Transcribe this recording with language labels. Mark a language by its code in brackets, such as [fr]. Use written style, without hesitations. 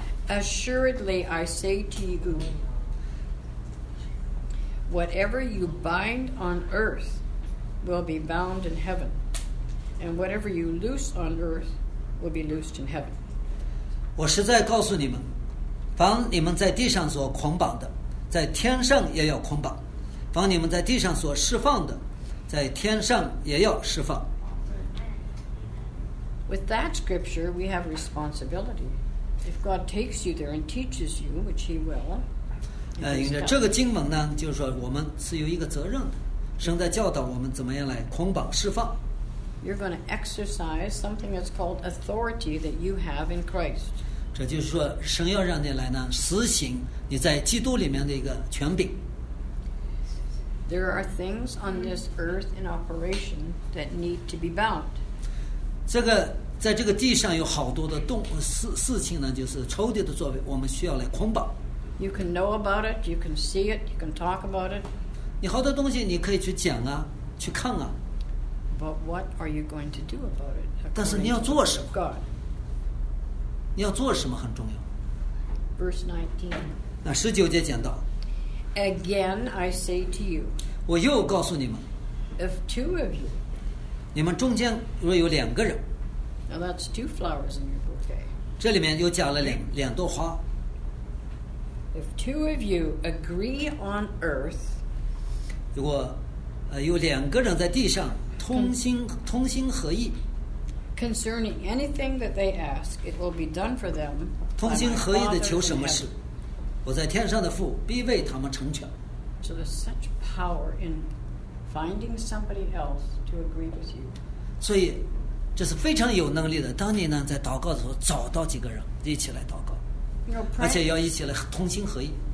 [en] Assuredly, I say to you, whatever you bind on earth will be bound in heaven, and whatever you loose on earth will be loosed in heaven. [zh] 我实在告诉你们凡你们在地上所捆绑的在天上也要捆绑凡你们在地上所释放的在天上也要释放 [en] With that scripture we have responsibility If God takes you there and teaches you which he will [zh] 这个经文呢，就是说我们是有一个责任的，神在教导我们怎么样来捆绑释放。 [en] You're going to exercise something that's called authority that you have in Christ. [zh] 这就是说，神要让你来呢，实行你在基督里面的一个权柄。 [en] There are things on this earth in operation that need to be bound. [zh] 这个在这个地上有好多的事情呢，就是仇敌的作为，我们需要来捆绑。 [en] You can know about it, you can see it, you can talk about it. [zh] 你好多东西你可以去讲啊，去看啊。 [en] But what are you going to do about it? [zh] 但是你要做什么？ [en] God. [zh] 你要做什么很重要。 [en] Verse 19. [zh] 那十九节讲到。 [en] Again, I say to you. [zh] 我又告诉你们。 [en] If two of you. [zh] 你们中间若有两个人。 [en] Now that's two flowers in your bouquet. [zh] 这里面又加了两朵花。 [en] If two of you agree on earth. [zh] 如果有两个人在地上。通心合意。 [en] Concerning anything that they ask, it will be done for them. [zh] 通心合意的求什么事？我在天上的父必为他们成全。 [en] So there's such power in finding somebody else to agree with you. [zh] 所以这是非常有能力的。当你呢在祷告的时候，找到几个人一起来祷告，而且要一起来通心合意。